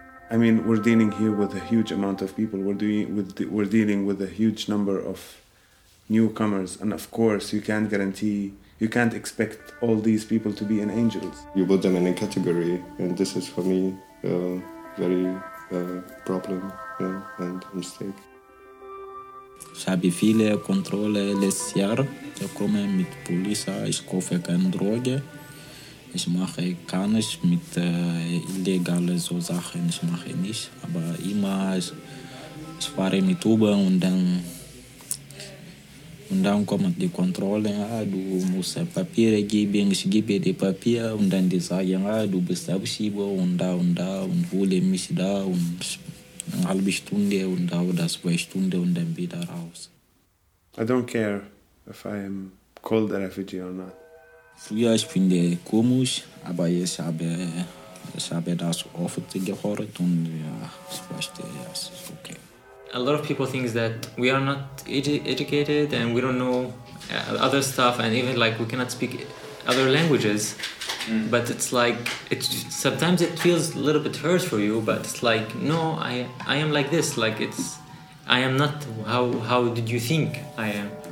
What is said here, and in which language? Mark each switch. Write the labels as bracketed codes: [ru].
[en] I mean, we're dealing here with a huge amount of people, we're dealing with a huge number of newcomers, and of course you can't expect all these people to be in angels. You put them in a category, and this is for me a very problem, yeah, and mistake. [de] Ich habe viele Kontrolle letztes Jahr. Ich komme mit Polizei, ich kaufe keine Droge. Ich mache gar nicht mit illegalen so Sachen, ich mache nicht. Aber immer ich fahre mit Uber und dann kommen die Kontrollen, ah, du musst Papiere geben, ich gebe die Papiere und dann die sagen, ah, du bist Abschieber und da und hole mich da und eine halbe Stunde und da oder zwei Stunden und dann wieder raus. [en] I don't care if I am called a refugee or not. [de] Früher, ich finde komisch, aber ich habe das oft gehört und ja, ich verstehe, ja, es ist okay. [en] A lot of people think that we are not educated and we don't know other stuff, and even like we cannot speak other languages. Mm. But it's like, it's sometimes it feels a little bit hurt for you, but it's like, no, I am like this. Like, it's, I am not how did you think I am?